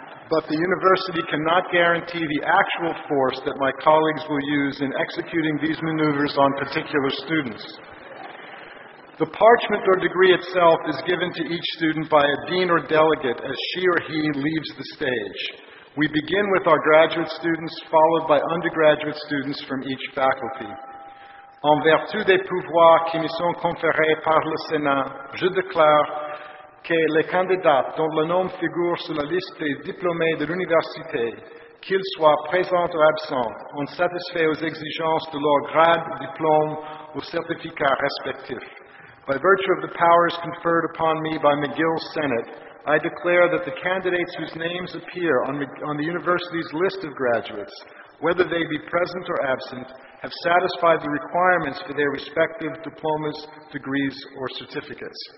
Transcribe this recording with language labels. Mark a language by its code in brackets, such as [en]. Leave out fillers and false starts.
[en] But the university cannot guarantee the actual force that my colleagues will use in executing these maneuvers on particular students. The parchment or degree itself is given to each student by a dean or delegate as she or he leaves the stage. We begin with our graduate students, followed by undergraduate students from each faculty. [fr] En vertu des pouvoirs qui me sont conférés par le Sénat, je déclare que les candidats dont le nom figure sur la liste des diplômés de l'université, qu'ils soient présents ou absents, ont satisfait aux exigences de leur grade, diplôme ou certificat respectif. [en] By virtue of the powers conferred upon me by McGill's Senate, I declare that the candidates whose names appear on the university's list of graduates, whether they be present or absent, have satisfied the requirements for their respective diplomas, degrees, or certificates.